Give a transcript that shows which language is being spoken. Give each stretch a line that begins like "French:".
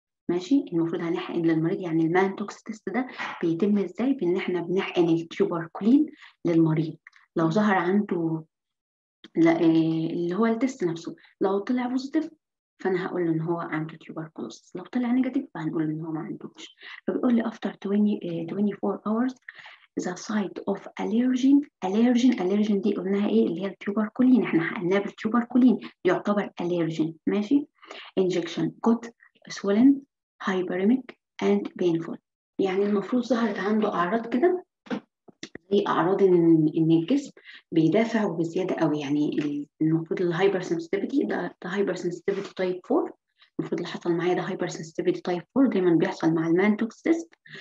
Arabic: ماشي، المفروض هنحقن للمريض. يعني المانتوكس تيست ده بيتم ازاي؟ بان احنا بنحقن التيوبركولين للمريض. لو ظهر عنده اللي هو التيست نفسه، لو طلع بوزيتيف فانا هقول له ان هو عنده تيوبركولوس، لو طلع نيجاتيف فهنقول له ان هو ما عندوش. فبيقول لي
English: after 24 hours the site of allergen.
Arabic: allergen دي قلناها ايه؟ اللي هي التيوبركولين، احنا حقناه بالتيوبركولين يعتبر allergen. ماشي،
English: injection got swollen, hyperemic and painful.
Arabic: يعني المفروض ظهرت عنده اعراض كده زي اعراض ان الجسم بيدافع وبزياده قوي، يعني المفروض الهايبر سنسيتيفيتي ده هايبر سنسيتيفيتي تايب 4، المفروض اللي حصل معايا ده هايبر سنسيتيفيتي تايب 4، دايما بيحصل مع المانتوكس تيست.